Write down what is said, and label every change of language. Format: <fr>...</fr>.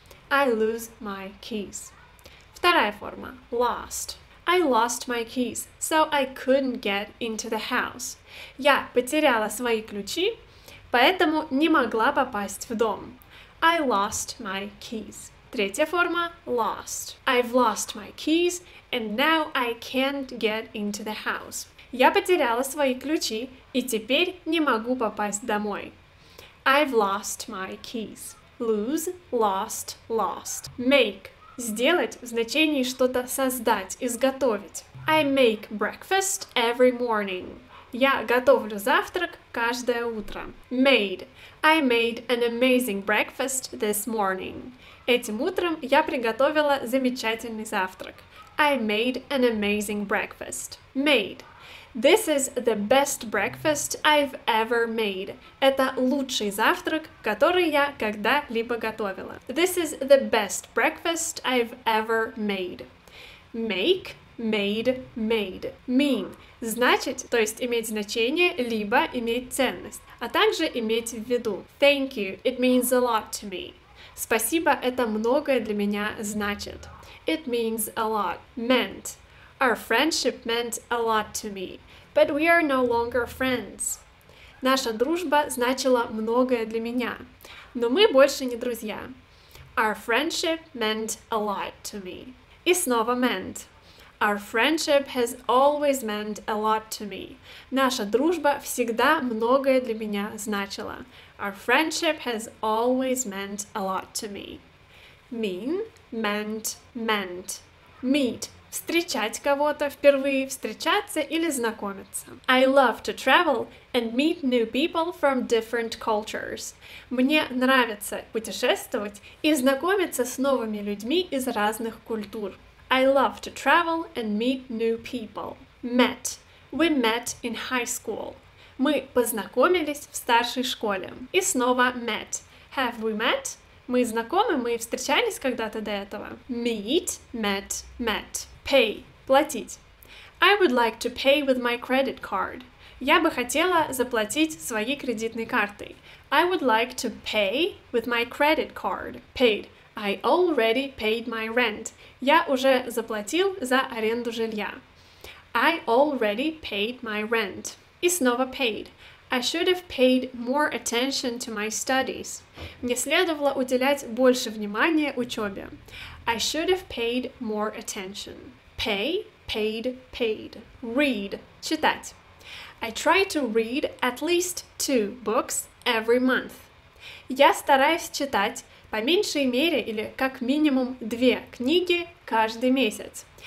<en>I lose my keys.</en> <ru>Вторая форма.</ru> <en>Lost. I lost my keys, so I couldn't get into the house.</en> <ru>Я потеряла свои ключи, поэтому не могла попасть в дом.</ru> <en>I lost my keys.</en> <ru>Третья форма</ru> <en>– lost. I've lost my keys, and now I can't get into the house.</en> <ru>Я потеряла свои ключи, и теперь не могу попасть домой.</ru> <en>I've lost my keys. Lose, lost, lost. Make.</en> <ru>Сделать в значении что-то создать, изготовить.</ru> <en>I make breakfast every morning.</en> <ru>Я готовлю завтрак каждое утро.</ru> <en>Made. I made an amazing breakfast this morning.</en> <ru>Этим утром я приготовила замечательный завтрак.</ru> <en>I made an amazing breakfast. Made. This is the best breakfast I've ever made.</en> <ru>Это лучший завтрак, который я когда-либо готовила.</ru> <en>This is the best breakfast I've ever made. Make, made, made. Mean.</en> <ru>Значить, то есть иметь значение, либо иметь ценность, а также иметь в виду.</ru> <en>Thank you, it means a lot to me.</en> <ru>Спасибо, это многое для меня значит.</ru> <en>It means a lot. Meant. Our friendship meant a lot to me, but we are no longer friends.</en> <ru>Наша дружба значила многое для меня, но мы больше не друзья.</ru> <en>Our friendship meant a lot to me.</en> <ru>И снова</ru> <en>meant. Our friendship has always meant a lot to me.</en> <ru>Наша дружба всегда многое для меня значила.</ru> <en>Our friendship has always meant a lot to me. Mean, meant, meant. Meet.</en> <ru>Встречать кого-то впервые, встречаться или знакомиться.</ru> <en>I love to travel and meet new people from different cultures.</en> <ru>Мне нравится путешествовать и знакомиться с новыми людьми из разных культур.</ru> <en>I love to travel and meet new people. Met. We met in high school.</en> <ru>Мы познакомились в старшей школе. И снова</ru> <en>met. Have we met?</en> <ru>Мы знакомы, мы встречались когда-то до этого.</ru> <en>Meet, met, met. Pay.</en> <ru>Платить.</ru> <en>I would like to pay with my credit card.</en> <ru>Я бы хотела заплатить своей кредитной картой.</ru> <en>I would like to pay with my credit card. Paid. I already paid my rent.</en> <ru>Я уже заплатил за аренду жилья.</ru> <en>I already paid my rent.</en> <ru>И снова</ru> <en>paid. I should have paid more attention to my studies.</en> <ru>Мне следовало уделять больше внимания учебе.</ru> <en>I should have paid more attention. Pay, paid, paid. Read.</en> <ru>Читать.</ru> <en>I try to read at least 2 books every month.</en> <ru>Я стараюсь читать по меньшей мере или как минимум 2 книги каждый месяц.</ru>